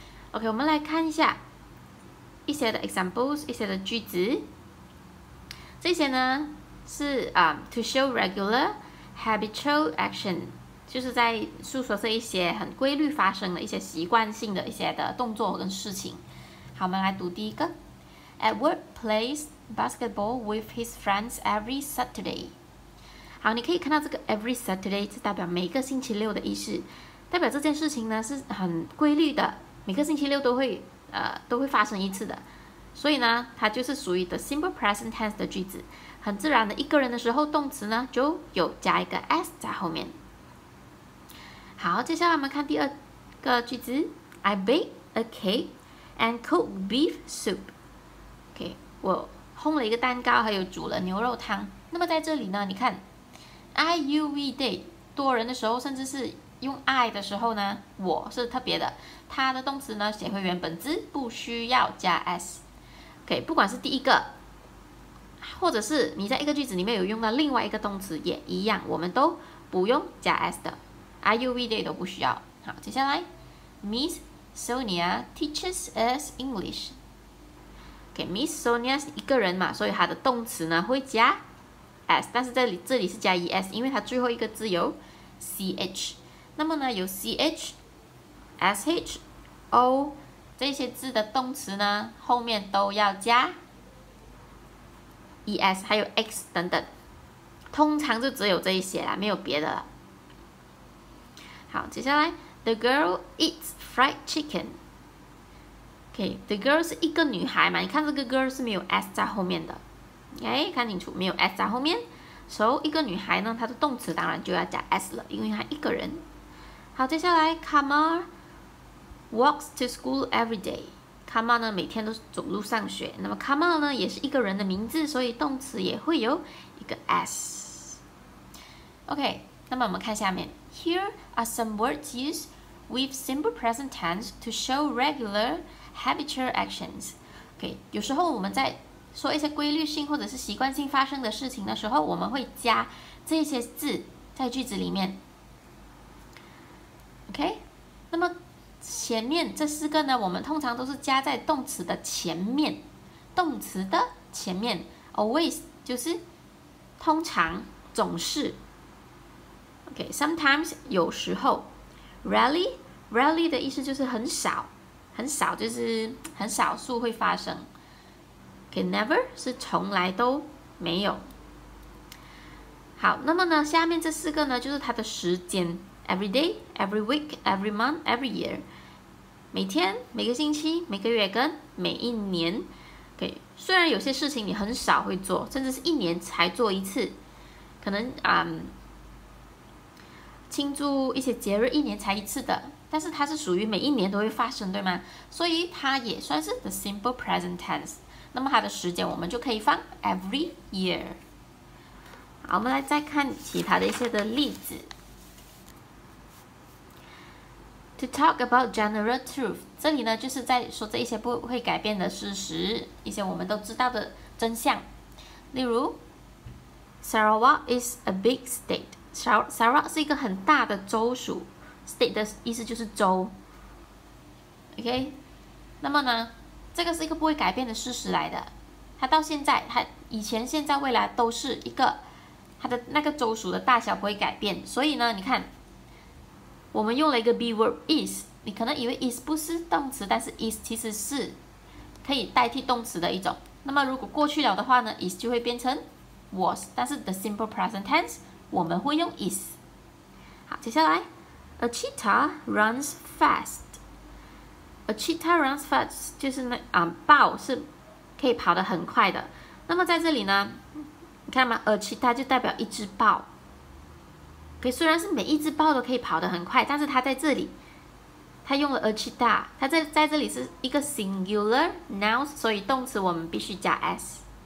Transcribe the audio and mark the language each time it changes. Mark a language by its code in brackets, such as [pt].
[zh] OK， 我们来看一下一些的 examples， 一些的句子。这些呢是 [en] to show regular habitual action， [zh] 就是在诉说这一些很规律发生的一些习惯性的一些的动作跟事情。好，我们来读第一个。 [en] Edward plays basketball with his friends every Saturday。 [zh] 好，你可以看到这个 every Saturday 是代表每个星期六的意思，代表这件事情呢是很规律的，每个星期六都会发生一次的。所以呢它就是属于 the simple present tense 的句子，很自然的一个人的时候动词呢就有加一个 s 在后面。好，接下来我们看第二个句子。 [en] I bake a cake and cook beef soup。 [zh] OK， 我烘了一个蛋糕还有煮了牛肉汤。那么在这里呢，你看 I, you, we, they 多人的时候，甚至是用 I 的时候呢，我是特别的，它的动词呢写回原本字，不需要加 s。 OK， 不管是第一个或者是你在一个句子里面有用到另外一个动词也一样，我们都不用加 s 的， I, you, we, they 都不需要。好，接下来 [en] Miss Sonia teaches us English。 [zh] OK， Miss Sonia 是一个人嘛，所以她的动词呢会加 s， 但是这里是加 es， 因为它最后一个字有 ch。那么呢有 ch, sh, o 这些字的动词呢后面都要加 es 还有 x 等等，通常就只有这一些啦，没有别的了。好，接下来 [en] the girl eats fried chicken。 [zh] OK, the girl 是一个女孩嘛，你看这个 girl 是没有 s 在后面的。 OK, 看清楚，没有 s 在后面，所以一个女孩呢她的动词当然就要加 s 了，因为她一个人。好，接下来 [en] Kamal walks to school every day。 [zh] Kamal 呢每天都走路上学，那么 Kamal 呢也是一个人的名字，所以动词也会有一个 s。 OK, 那么我们看下面。 [en] Here are some words used with simple present tense to show regular habitual actions。 [zh] OK, 有时候我们在说一些规律性或者是习惯性发生的事情的时候，我们会加这些字在句子里面。 OK, 那么前面这四个呢，我们通常都是加在动词的前面，动词的前面 always 就是通常总是。 OK, sometimes 有时候 rarely 的意思就是很少，很少就是很少数会发生。 OK, never 是从来都没有。好，那么呢下面这四个呢就是它的时间， [en] Every day, every week, every month, every year， [zh] 每天、每个星期、每个月跟每一年。 OK, 虽然有些事情你很少会做，甚至是一年才做一次，可能庆祝一些节日一年才一次的，但是它是属于每一年都会发生，对吗？所以它也算是 the simple present tense。那么它的时间我们就可以放 every year。好，我们来再看其他的一些的例子。 [en] To talk about general truth， [zh] 这里呢就是在说这一些不会改变的事实，一些我们都知道的真相。 [en] 例如 Sarawak is a big state。 [zh] Sarawak 是一个很大的州属， state 的意思就是州。 OK, 那么呢这个是一个不会改变的事实来的，它到现在、它以前、现在、未来都是一个，它的那个州属的大小不会改变。所以呢你看我们用了一个 be word is，你可能以为 is 不是动词，但是 is 其实是可以代替动词的一种。那么如果过去了的话呢，is 就会变成 was，但是 the simple present tense 我们会用 is。 [en] 好，接下来，a cheetah runs fast。 a cheetah runs fast [zh] 就是那豹是可以跑得很快的。那么在这里呢，你看嘛，a cheetah 就代表一只豹。可虽然是每一只豹都可以跑得很快，但是它在这里。它用了 a cheetah，它在这里是一个 singular noun，所以动词我们必须加 s。